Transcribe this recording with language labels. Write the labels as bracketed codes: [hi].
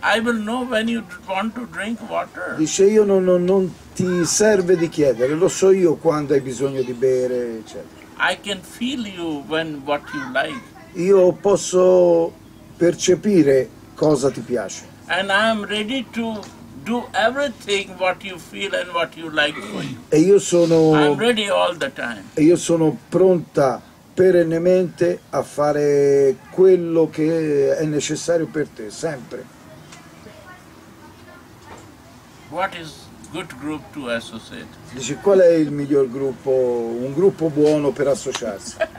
[en] I will know when you want to drink water. [it] Dice io non ti serve di chiedere. Lo so io quando hai bisogno di bere, eccetera. [en] I can feel you when what you like. [it] Io posso percepire cosa ti piace. [en] And I am ready to do everything what you feel and what you like for you. [it] E io sono. [en] I'm ready all the time. [it] E io sono pronta perennemente a fare quello che è necessario per te, sempre. [en] What is good group to associate? [it] Dice, qual è il miglior gruppo, un gruppo buono per associarsi?